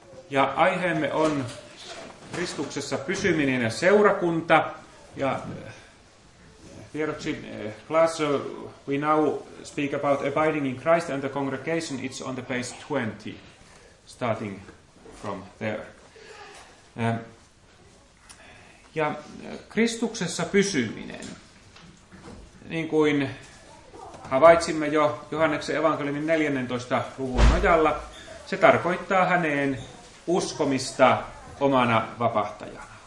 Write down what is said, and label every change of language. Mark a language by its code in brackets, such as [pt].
[fi] Ja aiheemme on Kristuksessa pysyminen ja seurakunta. Ja vieroksi [en] class, we now speak about abiding in Christ and the congregation. It's on the page 20, starting from there. [fi] Ja Kristuksessa pysyminen, niin kuin havaitsimme jo Johanneksen evankeliumin 14. luvun nojalla, se tarkoittaa häneen uskomista omana vapahtajana.